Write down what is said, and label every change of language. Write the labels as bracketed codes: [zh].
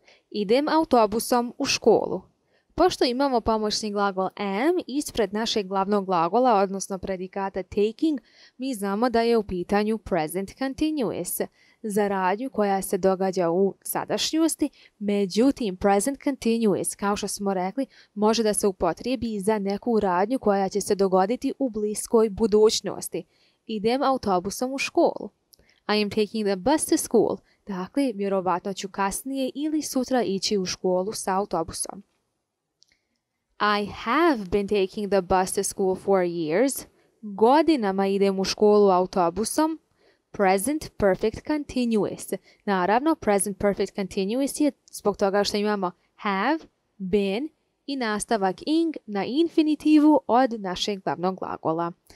[bs] Idem autobusom u školu. Pošto imamo pomoćni glagol am ispred našeg glavnog glagola, odnosno predikata taking, mi znamo da je u pitanju present continuous, za radnju koja se događa u sadašnjosti. Međutim, present continuous, kao što smo rekli, može da se upotrijebi za neku radnju koja će se dogoditi u bliskoj budućnosti. Idem autobusom u školu. [en] I am taking the bus to school. [bs] Dakle, vjerovatno ću kasnije ili sutra ići u školu sa autobusom. [en] I have been taking the bus to school for years. [bs] Godinama idem u školu autobusom. Present perfect continuous. Naravno, present perfect continuous je zbog toga što imamo have, been i nastavak ing na infinitivu od našeg glavnog glagola.